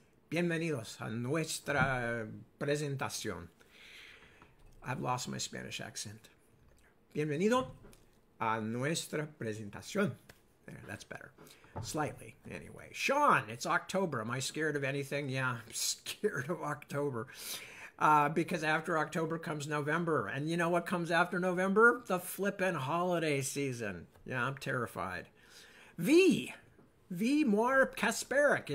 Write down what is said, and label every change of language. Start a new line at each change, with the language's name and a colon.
Spanish: Bienvenidos a nuestra presentación.
English: I've lost my Spanish accent.
Spanish: Bienvenido a nuestra presentación.
English: There, that's better. Slightly, anyway. Sean, it's October. Am I scared of anything? Yeah, I'm scared of October. Because after October comes November. And you know what comes after November? The flippin' holiday season. Yeah, I'm terrified. V. Moir Kasparic.